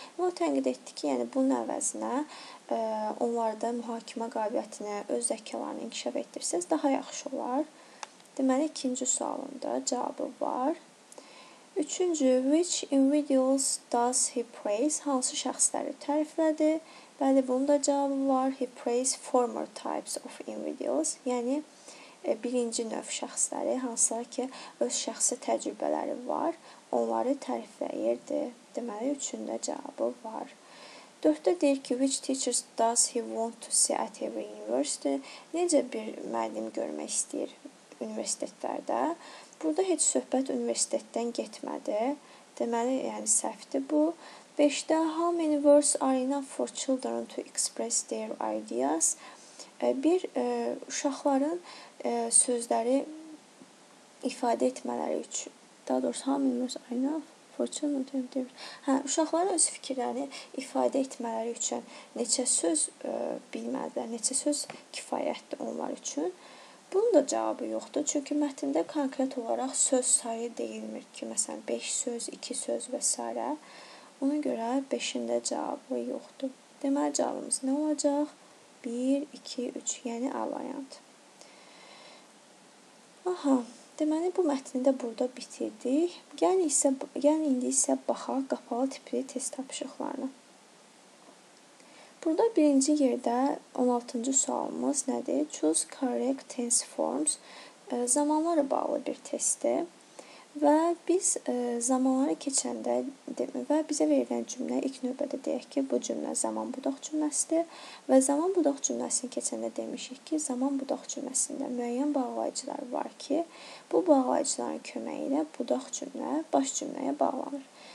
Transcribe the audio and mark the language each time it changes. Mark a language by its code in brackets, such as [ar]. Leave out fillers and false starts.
[az] Və o tənqid etdi ki, yəni bunun əvəzinə onlarda mühakimə qabiliyyətini, öz zəkalarını inkişaf etdirsəz daha yaxşı olar. Deməli, ikinci sualında cavabı var. Üçüncü, [en] which individuals does he praise? [az] Hansı şəxsləri təriflədi? Bəli, bunda cavabı var. [en] He praised former types of individuals. [az] Yəni, birinci növ şəxsləri, hansılar ki, öz şəxsi təcrübələri var, onları tərifləyirdi. Deməli, üçündə cavabı var. Dördə deyir ki, [en] which teachers does he want to see at every university? [az] Necə bir müəllim görmək istəyir universitetlərdə? Burada heç söhbət universitetdən getmədi. Deməli, yəni, səhvdir bu. 5-də, [en] how many words are enough for children to express their ideas? [az] Bir, uşaqların sözləri ifadə etmələri üçün. Daha doğrusu, [en] how many words are enough for children to express their ideas? [az] Hə, uşaqların öz fikirlərini ifadə etmələri üçün neçə söz bilmədilər, neçə söz kifayətdir onlar üçün. Bunun da cavabı yoxdur, çünki mətndə konkret olaraq söz sayı deyilmir ki, məsələn, 5 söz, 2 söz və s. Ona görə 5-də cavabı yoxdur. Deməli, cavabımız nə olacaq? 1, 2, 3, yəni A variant. Aha, deməli, bu mətni də burada bitirdik. Gəlin indi isə baxaq qapalı tipli test tapışıqlarına. Burada birinci yerdə 16-cı sualımız nədir? [en] Choose correct tense forms. [az] Zamanlara bağlı bir testdir. Və biz zamanlara keçəndə və bizə verilən cümlə ilk növbədə deyək ki, bu cümlə zaman budaq cümləsidir. Və zaman budaq cümləsini keçəndə demişik ki, zaman budaq cümləsində müəyyən bağlayıcılar var ki, bu bağlayıcıların köməyi ilə budaq cümlə baş cümləyə bağlanır.